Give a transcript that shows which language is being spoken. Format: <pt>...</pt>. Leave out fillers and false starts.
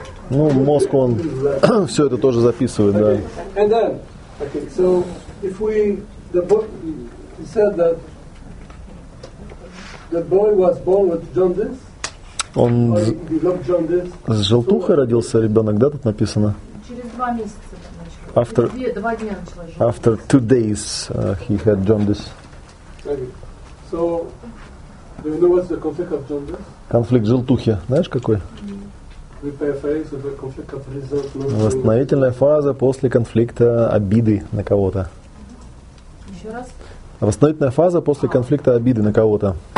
<ru>Ну, мозг, он все это тоже записывает, да.</ru> <en>Then, so if we said that the boy was born with jaundice.</en> <ru>Он с желтухой родился ребенок, да, тут написано? Через два месяца начал.</ru> <en>After,</en> <ru>два дня началось.</ru> <en>After two days he had jaundice. So, do you know what's the conflict of jaundice?</en> <ru>Конфликт желтухи, знаешь какой? Восстановительная фаза после конфликта обиды на кого-то. Еще раз. Восстановительная фаза после конфликта обиды на кого-то.</ru>